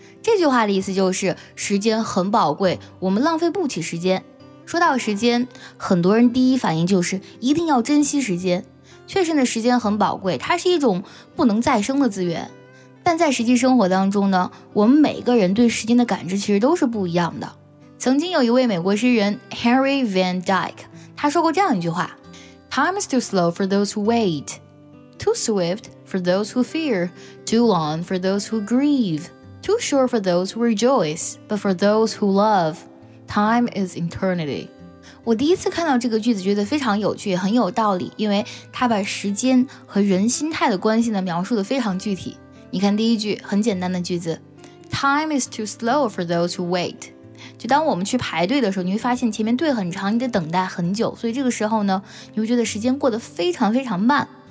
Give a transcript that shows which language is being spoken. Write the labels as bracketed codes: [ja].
[zh] 这句话的意思就是时间很宝贵，我们浪费不起时间。说到时间，很多人第一反应就是一定要珍惜时间。确实呢，时间很宝贵，它是一种不能再生的资源。但在实际生活当中呢，我们每个人对时间的感知其实都是不一样的。曾经有一位美国诗人 Henry Van Dyke， 他说过这样一句话 [en] Time is too slow for those who wait, too swift for those who fear, too long for those who grieve, too short for those who rejoice, but for those who love, time is eternity。 [zh] 我第一次看到这个句子觉得非常有趣，很有道理，因为他把时间和人心态的关系呢描述得非常具体。你看第一句很简单的句子 [en] Time is too slow for those who wait， [zh] 就当我们去排队的时候，你会发现前面队很长，你得等待很久，所以这个时候呢你会觉得时间过得非常非常慢。